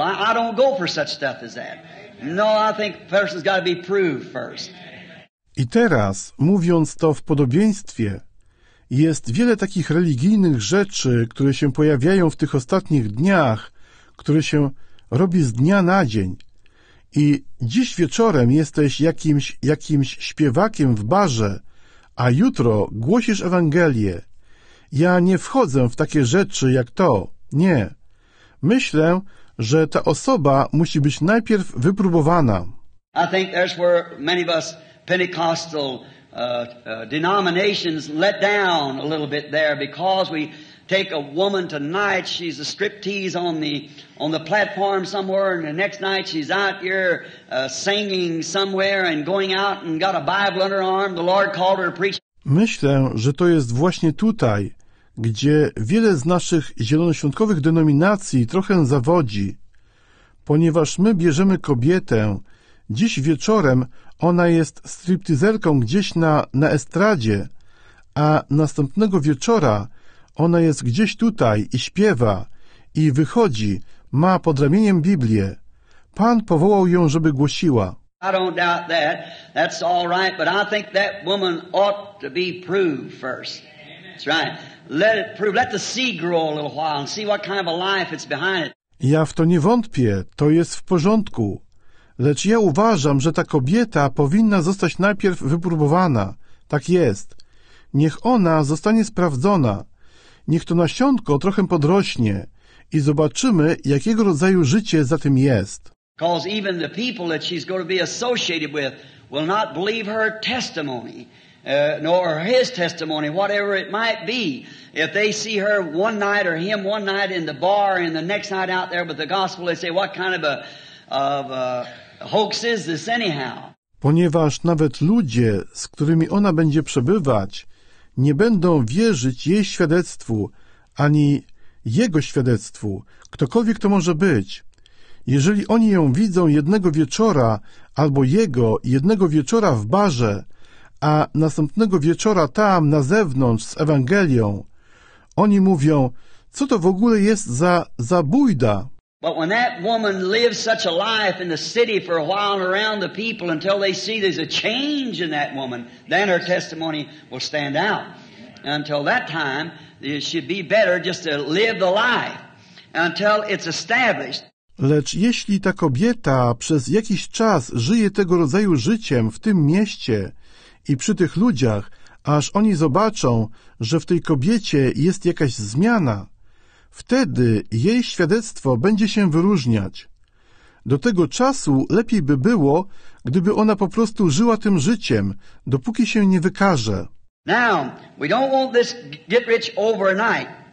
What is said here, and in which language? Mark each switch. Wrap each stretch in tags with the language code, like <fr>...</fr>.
<en>I don't go for such stuff as that. No, I think a person's got to be proved first.</en> <pl>I teraz, mówiąc to w podobieństwie, jest wiele takich religijnych rzeczy, które się pojawiają w tych ostatnich dniach, które się robi z dnia na dzień. I dziś wieczorem jesteś jakimś śpiewakiem w barze, a jutro głosisz Ewangelię. Ja nie wchodzę w takie rzeczy jak to. Nie. Myślę, że ta osoba musi być najpierw wypróbowana.</pl> <en>I think that's where many of us Pentecostal denominations let down a little bit there because we take a woman tonight, she's a striptease on the platform somewhere, and the next night she's out here singing somewhere and going out and got a Bible under her arm. The Lord called her to preach.</en> <pl>Myślę, że to jest właśnie tutaj, gdzie wiele z naszych zielonoświątkowych denominacji trochę zawodzi, ponieważ my bierzemy kobietę. Dziś wieczorem ona jest striptizerką gdzieś na estradzie, a następnego wieczora ona jest gdzieś tutaj i śpiewa, i wychodzi, ma pod ramieniem Biblię. Pan powołał ją, żeby głosiła.</pl> <en>I don't doubt that. That's all right, but I think that woman ought to be proved first. That's right. Let it prove. Let the seed grow a little while and see what kind of a life it's behind it.</en> <pl>Ja w to nie wątpię. To jest w porządku. Lecz ja uważam, że ta kobieta powinna zostać najpierw wypróbowana. Tak jest. Niech ona zostanie sprawdzona. Niech to nasionko trochę podrośnie i zobaczymy, jakiego rodzaju życie za tym jest.</pl> <en>Because even the people that she's going to be associated with will not believe her testimony, nor his testimony, whatever it might be. If they see her one night or him one night in the bar and the next night out there with the gospel, they say, what kind of a hoax is this anyhow?</en> <pl>Ponieważ nawet ludzie, z którymi ona będzie przebywać, nie będą wierzyć jej świadectwu, ani jego świadectwu, ktokolwiek to może być. Jeżeli oni ją widzą jednego wieczora, albo jego jednego wieczora w barze, a następnego wieczora tam, na zewnątrz, z Ewangelią, oni mówią, co to w ogóle jest za bójda?</pl> <en>But when that woman lives such a life in the city for a while and around the people until they see there's a change in that woman, then her testimony will stand out. And until that time, it should be better just to live the life until it's established.</en> <pl>Lecz jeśli ta kobieta przez jakiś czas żyje tego rodzaju życiem w tym mieście i przy tych ludziach, aż oni zobaczą, że w tej kobiecie jest jakaś zmiana, wtedy jej świadectwo będzie się wyróżniać. Do tego czasu lepiej by było, gdyby ona po prostu żyła tym życiem, dopóki się nie wykaże.</pl> <en>Now, we don't want this get rich overnight.</en>